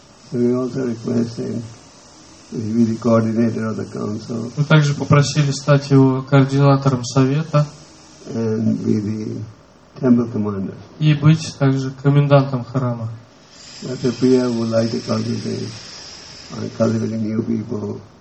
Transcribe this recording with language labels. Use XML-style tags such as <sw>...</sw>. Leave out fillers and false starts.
<en>So we also requesting to be the coordinator of the council.</en> <ru>Мы также попросили стать его координатором совета.</ru> <en>And be the temple commander.</en> <ru>И быть также комендантом храма.</ru> <en>Ratipriya would like to concentrate on cultivating new people.</en>